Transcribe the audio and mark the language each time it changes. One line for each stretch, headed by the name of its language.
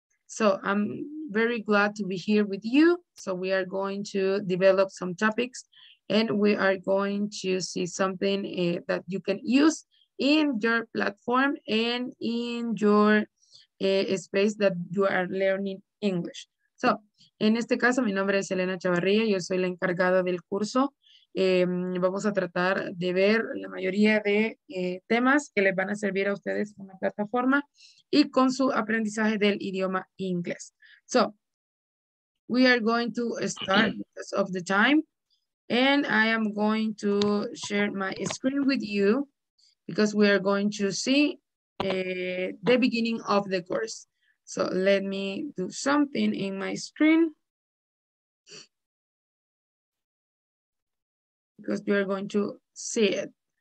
English: So I'm very glad to be here with you. So we are going to develop some topics, and we are going to see something that you can use in your platform and in your space that you are learning English.
Spanish: So, en este caso, mi nombre es Elena Chavarría, yo soy la encargada del curso. Vamos a tratar de ver la mayoría de temas que les van a servir a ustedes con la plataforma y con su aprendizaje del idioma inglés.
English: So, we are going to start because of the time, and I am going to share my screen with you because we are going to see the beginning of the course. So let me do something in my screen, because you are going to see it.